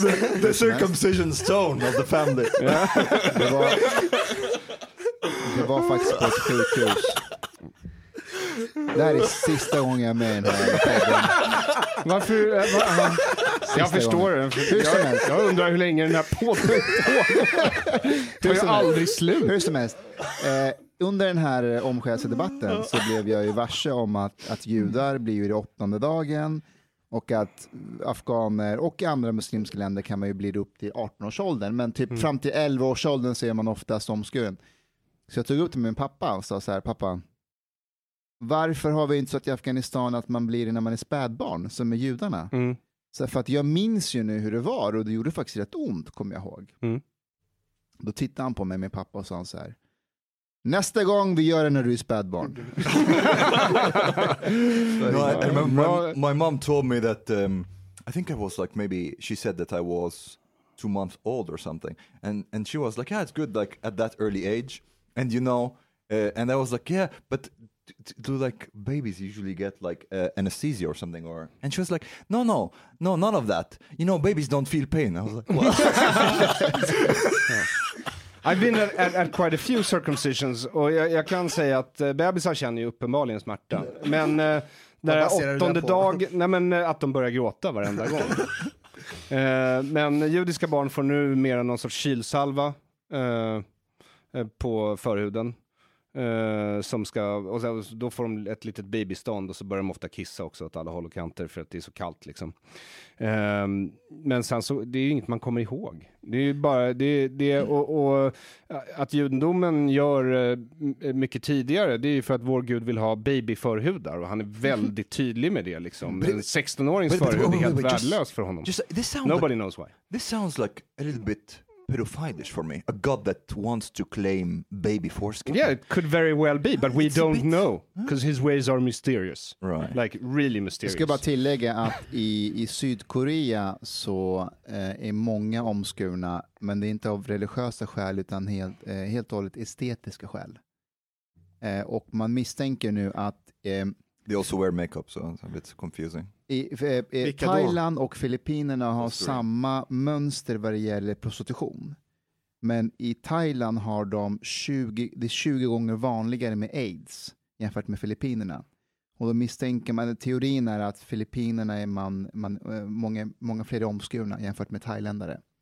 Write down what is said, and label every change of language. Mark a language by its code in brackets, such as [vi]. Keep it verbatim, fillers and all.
[en] The, the circumcision stone of the family. [sv] Ja. Det, var, det var faktiskt på ett sjukhus. Det här är sista gången jag är med i den här podden. Varför? Var, jag förstår det. Jag, jag undrar hur länge den här podden pågår. Det är aldrig slut. Hur som helst. Eh, under den här omskärelsedebatten så blev jag ju varse om att, att judar blir ju det åttonde dagen och att afghaner och andra muslimska länder kan man ju bli upp till arton-årsåldern. Men typ mm. fram till elva-årsåldern så är man oftast omskuren. Så jag tog upp till min pappa och sa så här, pappa, varför har vi inte så att i Afghanistan att man blir det när man är spädbarn som är judarna? Mm. Så för att jag minns ju nu hur det var och det gjorde faktiskt rätt ont, kommer jag ihåg. Mm. Då tittade han på mig med pappa och sa så här, nästa gång vi gör det när du är spädbarn. [en] No, I, I remember my, my mom told me that um, I think I was like maybe she said that I was two months old or something and, and she was like yeah, it's good like at that early age and you know uh, and I was like yeah but do like babies usually get like uh, anesthesia or something or and she was like no no no none of that you know babies don't feel pain. I was like what? Yeah. I've been at, at, at quite a few circumcisions [sv] och jag, jag kan säga att uh, bebisar känner ju uppenbarligen smärta men uh, när åttonde dag nej men uh, att de börjar gråta varenda gång. Eh, men judiska barn får nu mer än någon sorts kylsalva eh, på förhuden. Eh, som ska, och sen, då får de ett litet babystånd och så börjar de ofta kissa också åt alla håll och kanter för att det är så kallt liksom. Eh, men sen så, det är ju inget man kommer ihåg. Det är ju bara, det, det, och, och att judendomen gör eh, mycket tidigare, det är ju för att vår Gud vill ha babyförhudar och han är väldigt tydlig med det liksom. En sexton-årings förhud är helt värdelös för honom. [en] Nobody knows why. This sounds like a little bit pedophilish for me. A god that wants to claim baby foreskin. Yeah, it could very well be, but we don't know because his ways are mysterious. Right. Like really mysterious. [sv] Jag ska bara tillägga att i, i Sydkorea så eh, är många omskurna, men det är inte av religiösa skäl utan helt, eh, helt och hållet estetiska skäl. Eh, och man misstänker nu att eh, [en] they also wear makeup, so it's a bit confusing. [sv] I, eh, eh, Thailand och Filippinerna har samma mönster vad det gäller prostitution. Men i Thailand har de tjugo, det är tjugo gånger vanligare med AIDS jämfört med Filippinerna. Och då misstänker man, teorin är att Filippinerna är man, man, många, många fler omskurna jämfört med thailändare.